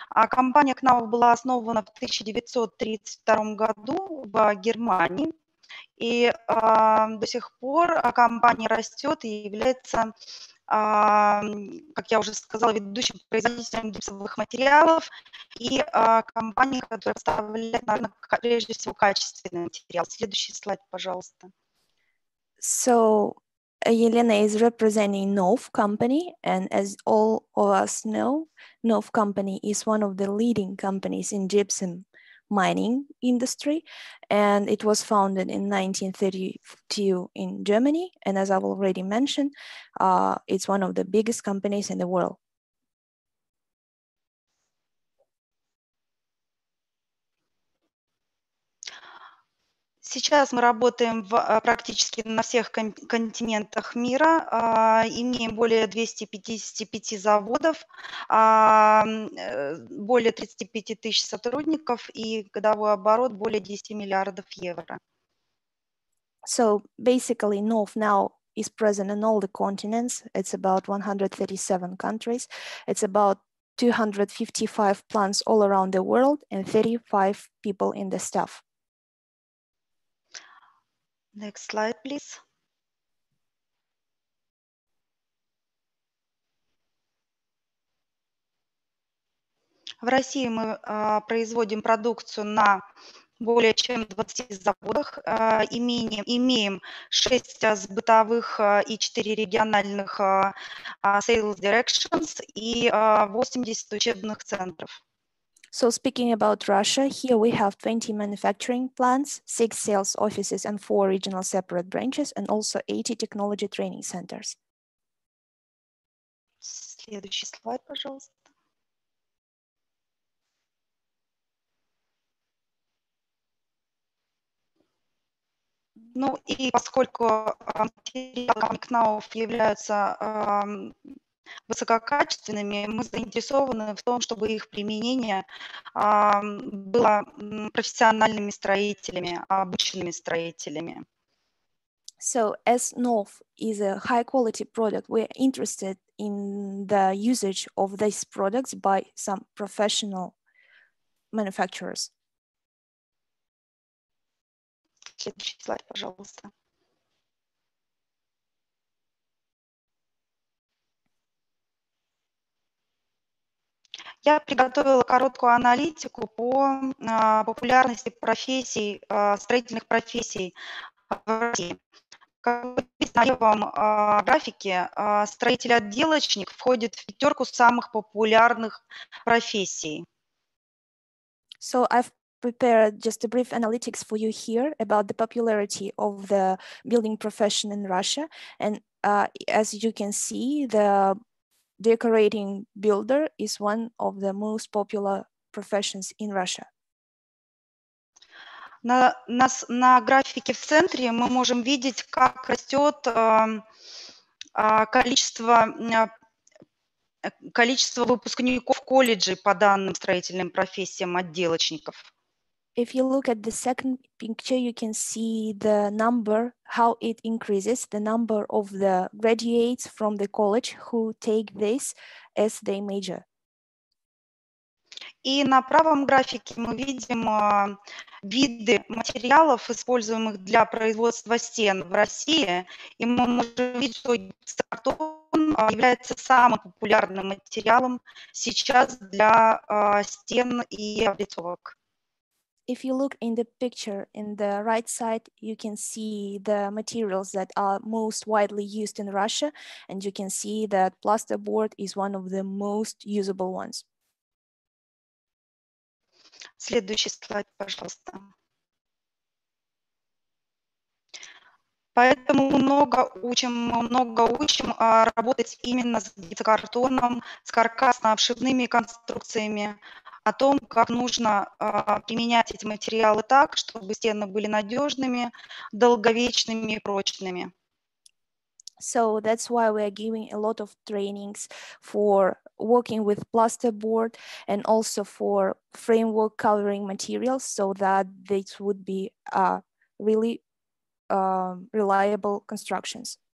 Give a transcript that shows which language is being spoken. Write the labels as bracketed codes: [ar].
[ru] Компания KNAU была основана в 1932 году в Германии, и до сих пор компания растет и является, как я уже сказала, ведущим производителем гипсовых материалов и компании, которая поставляет, наверное, прежде всего качественный материал. Следующий слайд, пожалуйста. [en] So, Елена is representing KNAU company, and as all of us know, KNAU company is one of the leading companies in gypsum mining industry, and it was founded in 1932 in Germany, and as I've already mentioned, it's one of the biggest companies in the world. [ru] Сейчас мы работаем практически на всех континентах мира, имеем более 255 заводов, более 35 тысяч сотрудников и годовой оборот более 10 миллиардов евро. [en] So basically, KNAU now is present in all the continents. It's about 137 countries. It's about 255 plants all around the world and 35 people in the staff. Next slide, please. [ru] В России мы производим продукцию на более чем 20 заводах, имеем 6 сбытовых и 4 региональных [en] sales directions [ru] и 80 учебных центров. [en] So speaking about Russia, here we have 20 manufacturing plants, 6 sales offices and 4 regional separate branches, and also 80 technology training centers. [ru] Следующий слайд, пожалуйста. Ну и поскольку материалы КНАУФ являются высококачественными, мы заинтересованы в том, чтобы их применение было профессиональными строителями, обычными строителями. [en] So as KNAUF is a high quality product, we're interested in the usage of these products by some professional manufacturers. [ru] Следующий слайд, пожалуйста. Я приготовила короткую аналитику по популярности профессий, строительных профессий в России. Как написано в левом графике, строитель-отделочник входит в пятерку самых популярных профессий. [en] So I've prepared just a brief analytics for you here about the popularity of the building profession in Russia. And as you can see, the decorating builder is one of the most popular professions in Russia. [ru] На графике в центре мы можем видеть, как растет количество выпускников колледжей по данным строительным профессиям отделочников. [en] If you look at the second picture, you can see the number, how it increases, the number of the graduates from the college who take this as their major. [ru] И на правом графике мы видим виды материалов, используемых для производства стен в России. И мы можем видеть, что гипсокартон является самым популярным материалом сейчас для стен и облицовок. [en] If you look in the picture in the right side, you can see the materials that are most widely used in Russia, and you can see that plasterboard is one of the most usable ones. [ru] Следующий слайд, пожалуйста. Поэтому мы много учим работать именно с гипсокартоном, с каркасно-обшивными конструкциями, о том, как нужно применять эти материалы так, чтобы стены были надежными, долговечными и прочными. [en] So that's why we are giving a lot of trainings for working with plasterboard and also for framework covering materials so that this would be really reliable constructions.